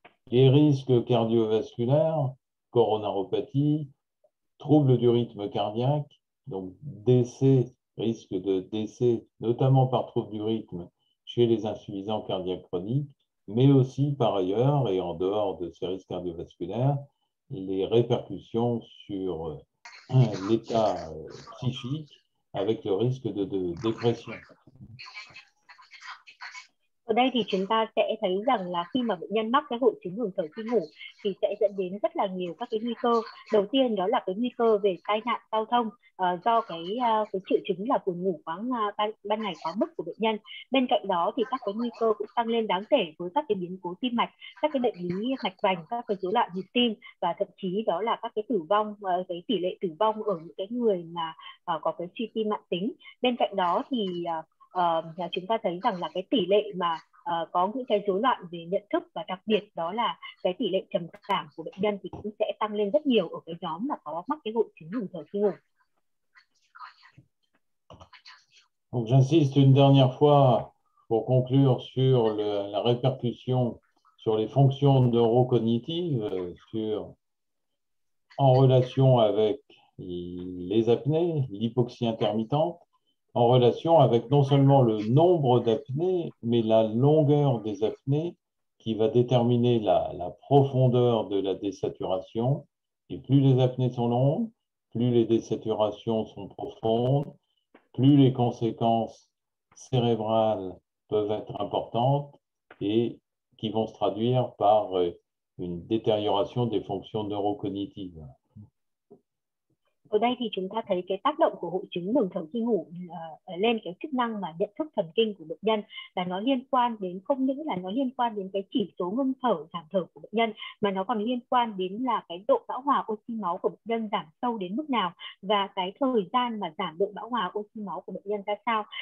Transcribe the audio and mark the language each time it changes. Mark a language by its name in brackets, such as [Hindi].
[French] Les risques cardiovasculaires, coronaropathie, troubles du rythme cardiaque, donc décès, risque de décès, notamment par trouble du rythme chez les insuffisants cardiaques chroniques, mais aussi par ailleurs et en dehors de ces risques cardiovasculaires, les répercussions sur l'état psychique avec le risque de dépression. [Vietnamese] Ở đây thì chúng ta sẽ thấy rằng là khi mà bệnh nhân mắc cái hội chứng ngừng thở khi ngủ thì sẽ dẫn đến rất là nhiều các cái nguy cơ. Đầu tiên đó là cái nguy cơ về tai nạn giao thông do cái triệu chứng là buồn ngủ quá ban ngày quá mức của bệnh nhân. Bên cạnh đó thì các cái nguy cơ cũng tăng lên đáng kể với các cái biến cố tim mạch, các cái bệnh lý mạch vành, các cái rối loạn nhịp tim, và thậm chí đó là các cái tử vong, cái tỷ lệ tử vong ở những cái người mà có cái suy tim mạn tính. Bên cạnh đó thì chúng ta thấy rằng là cái tỷ lệ mà có những cái rối loạn về nhận thức, và đặc biệt đó là cái tỷ lệ trầm cảm của bệnh nhân thì cũng sẽ tăng lên rất nhiều ở cái nhóm mà có mắc cái hội chứng ngừng thở khi ngủ. [French] Donc j'insiste une dernière fois pour conclure sur la répercussion sur les fonctions neurocognitives en relation avec les apnées, l'hypoxie intermittente. En relation avec non seulement le nombre d'apnées, mais la longueur des apnées qui va déterminer la profondeur de la désaturation. Et plus les apnées sont longues, plus les désaturations sont profondes, plus les conséquences cérébrales peuvent être importantes et qui vont se traduire par une détérioration des fonctions neurocognitives. [Vietnamese] Ở đây thì chúng ta thấy cái tác động của hội chứng ngừng thở khi ngủ lên cái chức năng mà nhận thức thần kinh của bệnh nhân, là nó liên quan đến, không những là nó liên quan đến cái chỉ số ngưng thở giảm thở của bệnh nhân, mà nó còn liên quan đến là cái độ bão hòa oxy máu của bệnh nhân giảm sâu đến mức nào, và cái thời gian mà giảm độ bão hòa oxy máu của bệnh nhân ra sao.